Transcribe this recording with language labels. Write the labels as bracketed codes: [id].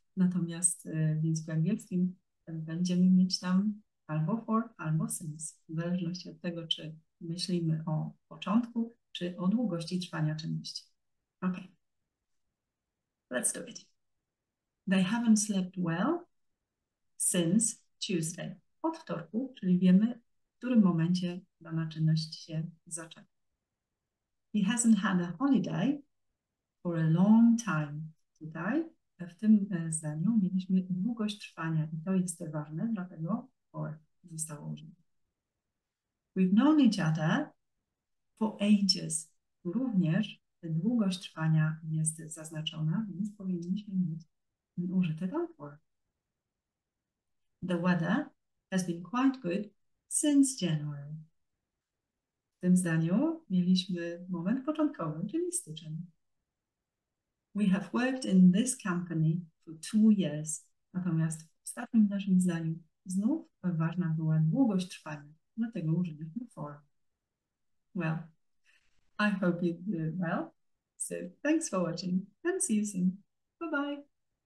[pl] Natomiast w języku angielskim będziemy mieć tam albo for, albo since, w zależności od tego, czy myślimy o początku, czy o długości trwania czynności. [en] Ok. Let's do it. They haven't slept well since Tuesday. [pl] Od wtorku, czyli wiemy, w którym momencie dana czynność się zaczęła. [en] He hasn't had a holiday for a long time. [pl] Tutaj w tym zdaniu mieliśmy długość trwania i to jest ważne, dlatego for zostało użyte. [en] We've known each other for ages. [pl] Również długość trwania jest zaznaczona, więc powinniśmy mieć użyte tam for. [en] The weather has been quite good since January. [pl] W tym zdaniu mieliśmy moment początkowy, czyli styczeń. [en] We have worked in this company for 2 years. [pl] Natomiast w ostatnim naszym zdaniu znów ważna była długość trwania, dlatego użyliśmy for. [en] Well, I hope you do well. So, thanks for watching and see you soon. Bye bye.